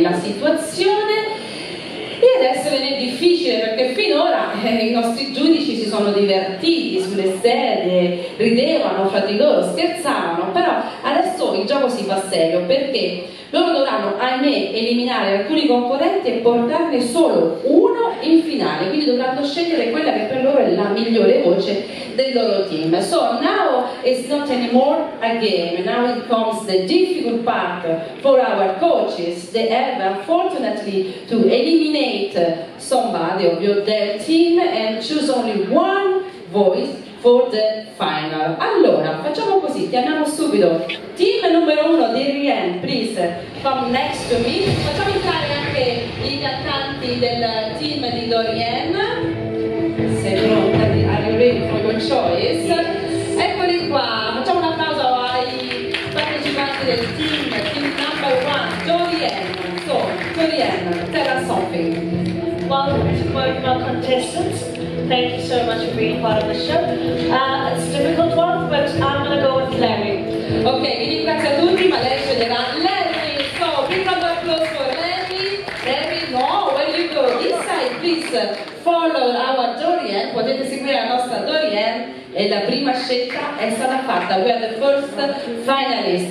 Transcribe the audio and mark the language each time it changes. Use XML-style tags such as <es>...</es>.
<it>E adesso viene difficile, perché finora i nostri giudici si sono divertiti sulle sedie, ridevano fra di loro, scherzavano, però adesso il gioco si fa serio, perché loro dovranno, ahimè, eliminare alcuni concorrenti e portarne solo uno in finale. Quindi dovranno scegliere quella che per loro è la migliore voce del loro team.</it> <en>So now it's not anymore a game, now it comes the difficult part for our coaches. They have unfortunately to eliminate somebody of their team and choose only one voice for the final.</en> <it>Allora, facciamo così, chiamiamo subito team numero uno, Dorian,</it> <en>please come next to me.</en> <it>Facciamo entrare anche i cantanti del team di Dorian. Sei pronta?</it> <en>Are you ready for your choice?</en> <it>Eccoli qua, facciamo un applauso ai partecipanti del</it> <en>team number one,</en> <it>Dorian.</it> <en>So, Dorian, tell us something. Welcome to both my contestants. Thank you so much for being part of the show. It's a difficult one, but I'm going to go with Larry.</en> <it>Okay, vi ringrazio a tutti, ma lei sceglierà Larry.</it> <en>So, big round of applause for Larry. Larry, no, where you go? This side, please follow our Dorian.</en> <it>Potete seguire la nostra Dorian. E la prima scelta è stata fatta.</it> <en>We are the first finalist.</en>